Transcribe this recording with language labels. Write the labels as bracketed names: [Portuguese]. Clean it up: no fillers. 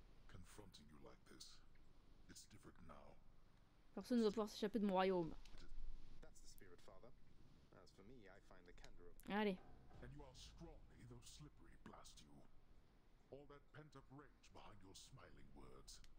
[English] Confronting you like this, it's different now. [French] Personne ne va pouvoir s'échapper de mon royaume. [English] That's the spirit, father. As for me, I find the candor of... Allez. And you are strong, though slippery, blast you. All that pent up rage behind your smiling words.